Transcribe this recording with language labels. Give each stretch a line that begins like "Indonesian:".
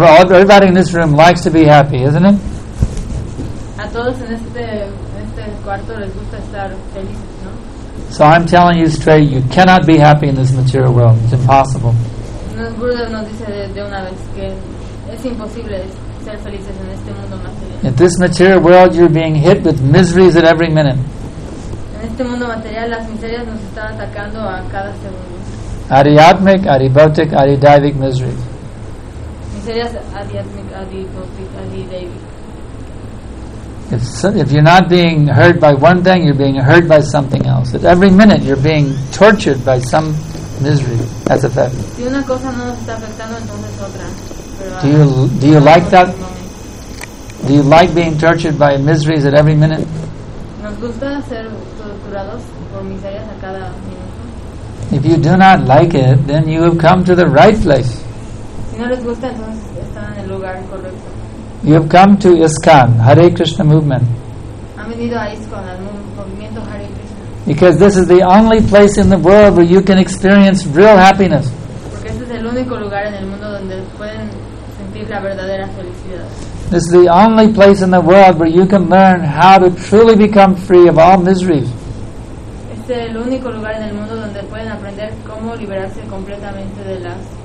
English: Everybody in this room likes to be happy, isn't it?
Spanish: A todos en este cuarto les gusta estar felices, ¿no?
English: So I'm telling you straight, you cannot be happy in this material world. It's impossible.
Spanish: Nos Gurudev nos dice de una vez que es imposible ser felices en este mundo material.
English: In this material world, you're being hit with miseries at every minute.
Spanish: En este mundo material, las miserias nos están atacando a cada segundo.
English: Adiatmic, adibhautic, adidaivic misery.
Spanish: Miserias adiatmic, adibhautic, adidaivic.
English: If you're not being hurt by one thing, you're being hurt by something else. At every minute, you're being tortured by some misery as a fact.
Spanish: Si una cosa no nos está afectando, entonces otra.
English: Do you like that? Do you like being tortured by miseries at every minute?
Spanish: Nos gusta ser torturados por miserias a cada minuto.
English: If you do not like it, then you have come to the right place.
Spanish: Si no les gusta, entonces están en el lugar correcto.
English: You have come to ISKCON, Hare Krishna movement.
Spanish: Han venido a ISKCON, al movimiento Hare Krishna.
English: Because this is the only place in the world where you can experience real happiness.
Spanish: Porque este es el único lugar en el mundo donde pueden sentir la verdadera felicidad.
English: This is the only place in the world where you can learn how to truly become free of all miseries.
Spanish: Este es el único lugar en el mundo donde pueden aprender cómo liberarse completamente de las.